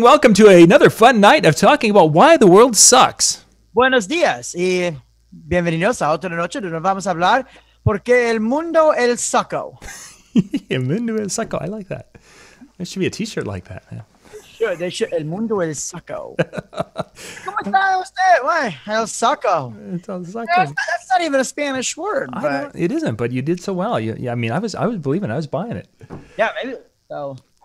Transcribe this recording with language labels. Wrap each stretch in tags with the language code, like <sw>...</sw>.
<en>Welcome to another fun night of talking about why the world sucks.</en> <es>Buenos dias y bienvenidos a otra noche donde vamos a hablar porque el mundo el saco. El mundo el saco.</es> <en>I like that. There should be a t-shirt like that, man.</en> <es>El mundo el saco. ¿Cómo está usted?</es> <en>Why?</en> <es>El saco.</es> <en>It's el saco. That's not even a Spanish word. It isn't, but you did so well. I mean, I was believing. I was buying it. Yeah, maybe. So.</en>